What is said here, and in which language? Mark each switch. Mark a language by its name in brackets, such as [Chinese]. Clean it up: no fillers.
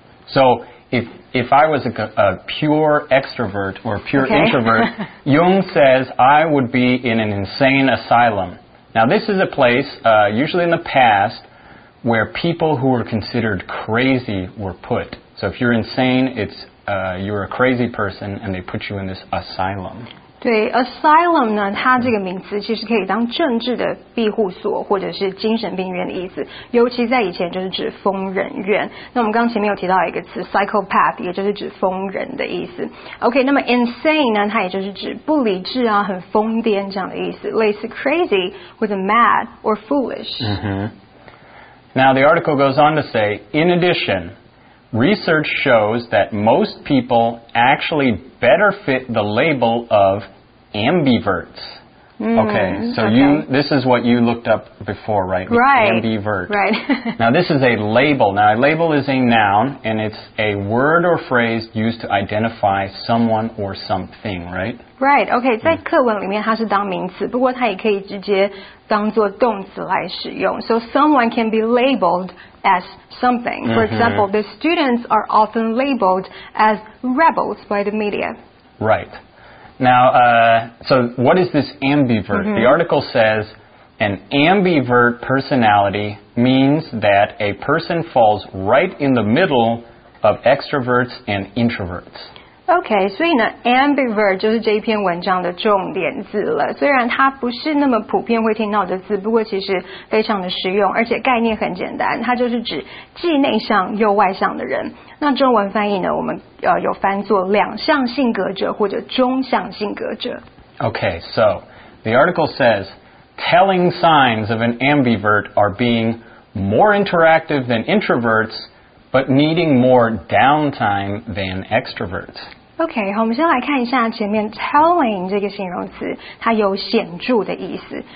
[English] So, if I was a pure extrovert or pure introvert, Jung says I would be in an insane asylum. Now, this is a place, usually in the past,where people who were considered crazy were put. So if you're insane, you're a crazy person, and they put you in this asylum. [Chinese] 对 ,asylum 呢它这个名词其实可以当政治的庇护所或者是精神病院的意思。尤其在以前就是指疯人院。那我们刚前面有提到一个词 ,psychopath, 也就是指疯人的意思。 OK, 那么 insane 呢它也就是指不理智啊很疯癫这样的意思。类似 crazy, 或者 mad, [English] or foolish.、 Now, the article goes on to say, in addition, research shows that most people actually better fit the label of ambiverts. This is what you looked up before, right? Right. Ambivert. Right. Now, this is a label. Now, a label is a noun, and it's a word or phrase used to identify someone or something, right? Right. [Chinese] Okay, 在课文里面它是当名词，不过它也可以直接当做动词来使用。 [English] So someone can be labeled as something. For example, the students are often labeled as rebels by the media. Right. Now, so what is this ambivert? The article says an ambivert personality means that a person falls right in the middle of extroverts and introverts. [Chinese] Okay, 所以呢 ambivert 就是这一篇文章的重点字了。虽然它不是那么普遍会听到的字，不过其实非常的实用，而且概念很简单。它就是指既内向又外向的人。那中文翻译呢，我们有翻作两向性格者或者中向性格者。 [English] Okay, so the article says telling signs of an ambivert are being more interactive than introverts. But needing more downtime than extroverts. [Chinese] Okay, 好，我们先来看一下前面 telling 这个形容词，它有显著的意思。